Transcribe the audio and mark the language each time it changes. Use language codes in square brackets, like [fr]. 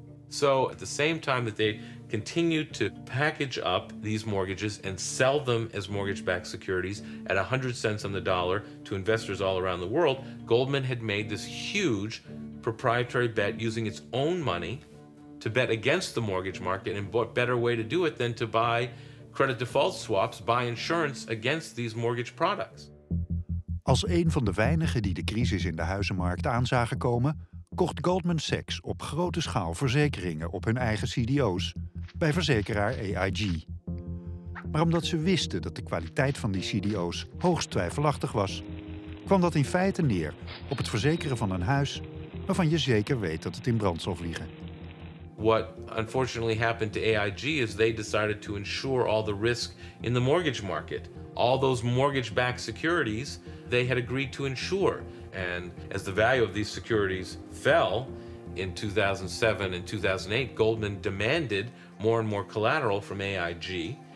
[en] So at the same time that they continued to package up these mortgages and sell them as mortgage-backed securities at 100 cents on the dollar to investors all around the world, Goldman had made this huge proprietary bet using its own money to bet against the mortgage market. And what better way to do it than to buy credit default swaps, buy insurance against these mortgage products? [nl] Als een van de weinigen die de crisis in de huizenmarkt aanzagen komen, kocht Goldman Sachs op grote schaal verzekeringen op hun eigen CDO's bij verzekeraar AIG. Maar omdat ze wisten dat de kwaliteit van die CDO's hoogst twijfelachtig was, kwam dat in feite neer op het verzekeren van een huis waarvan je zeker weet dat het in brand zal vliegen. [en] What unfortunately happened to AIG is they decided to insure all the risk in the mortgage market. All those mortgage-backed securities they had agreed to insure. And as the value of these securities fell in 2007 and 2008, Goldman demanded more and more collateral from AIG.